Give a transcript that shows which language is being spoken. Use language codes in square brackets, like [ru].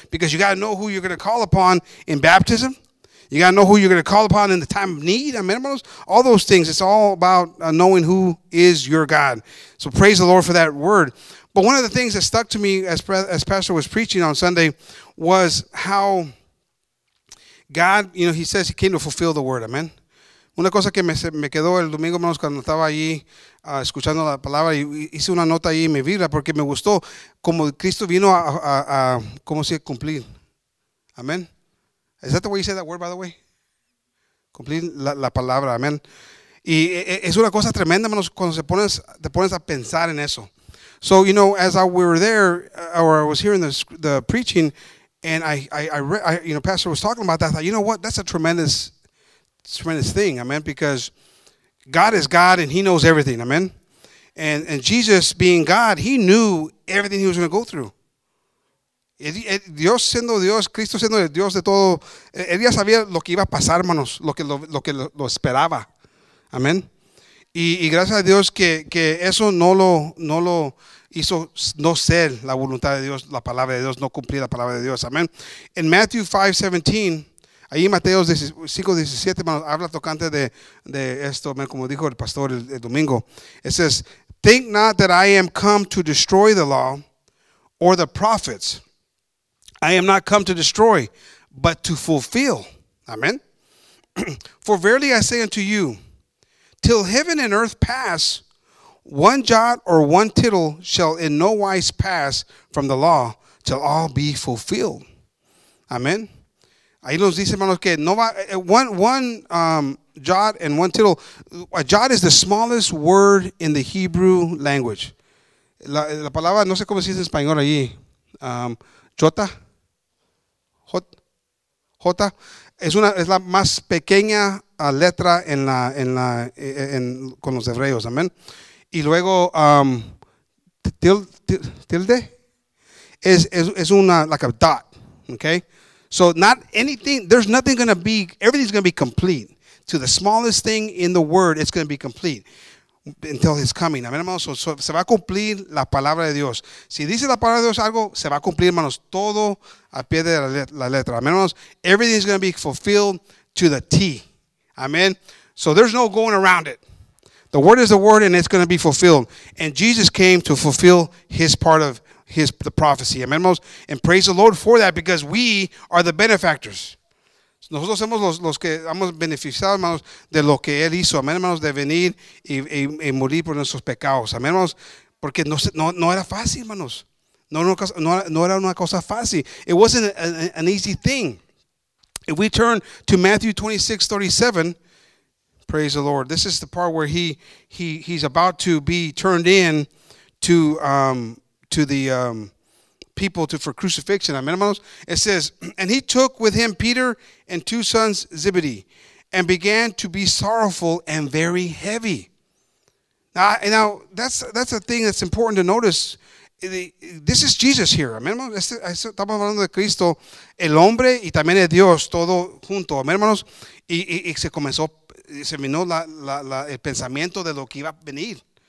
[en] Because you got to know who you're going to call upon in baptism. You got to know who you're going to call upon in the time of need. Amen, hermanos. All those things. It's all about knowing who is your God. So praise the Lord for that word. But one of the things that stuck to me as Pastor was preaching on Sunday was how God, you know, he says he came to fulfill the word. Amen. [es] Una cosa que me quedó el domingo, hermanos, cuando estaba allí escuchando la palabra, hice una nota ahí en mi vida porque me gustó como Cristo vino a cómo se cumplir. [en] Amen. Is that the way you say that word, by the way? [es] Cumplir la palabra, amén. Y es una cosa tremenda, hermanos, cuando te pones a pensar en eso. [en] So, you know, as I were there, or I was hearing the preaching, and I you know, Pastor was talking about that, I thought, you know what, that's a tremendous, tremendous thing, amén, because God is God, and he knows everything, amén. And Jesus, being God, he knew everything he was going to go through. [es] Dios siendo Dios, Cristo siendo el Dios de todo, él ya sabía lo que iba a pasar, hermanos, lo que lo esperaba. Amén. Y gracias a Dios que eso no lo hizo no ser la voluntad de Dios, la palabra de Dios, no cumplir la palabra de Dios. Amén. En Matthew 5:17, ahí Mateo 5:17, hermanos, habla tocante de esto, amén, como dijo el pastor el domingo. [en] It says, think not that I am come to destroy the law or the prophets. I am not come to destroy, but to fulfill. Amen. For verily I say unto you, till heaven and earth pass, one jot or one tittle shall in no wise pass from the law till all be fulfilled. Amen. [es] Ahí nos dice, hermanos, que no va, [en] one jot and one tittle. A jot is the smallest word in the Hebrew language. [es] La palabra, no sé cómo se dice en español allí. Jota. J es la más pequeña letra en con los hebreos, amén. Y luego tilde es una [en] like a dot, okay? So not anything, there's nothing going to be, everything's going to be complete. to the smallest thing in the word, it's going to be complete until his coming. [es] Amén, hermanos. So, se va a cumplir la palabra de Dios. Si dice la palabra de Dios algo, se va a cumplir, hermanos, todo a pie de la letra. Amén, hermanos. [en] Everything is going to be fulfilled to the T. Amén. So there's no going around it. The word is the word, and it's going to be fulfilled. And Jesus came to fulfill his part of the prophecy. Amén, hermanos. And praise the Lord for that, because we are the benefactors. [es] Nosotros somos los que hemos beneficiado, hermanos, de lo que Él hizo. Amén, hermanos, de venir y morir por nuestros pecados. Amén, hermanos, porque no era fácil, hermanos. No era una cosa fácil. [en] It wasn't an easy thing. If we turn to Matthew 26:37, praise the Lord. This is the part where he's about to be turned in to the people for crucifixion. Amen, hermanos. It says, and he took with him Peter and two sons Zebedee, and began to be sorrowful and very heavy. Now that's a thing that's important to notice. This is Jesus here. Amen, hermanos. [es] Estamos hablando de Cristo, el hombre y también de Dios, todo junto. Amen, hermanos. Y se comenzó, se vino el pensamiento de lo que iba a venir.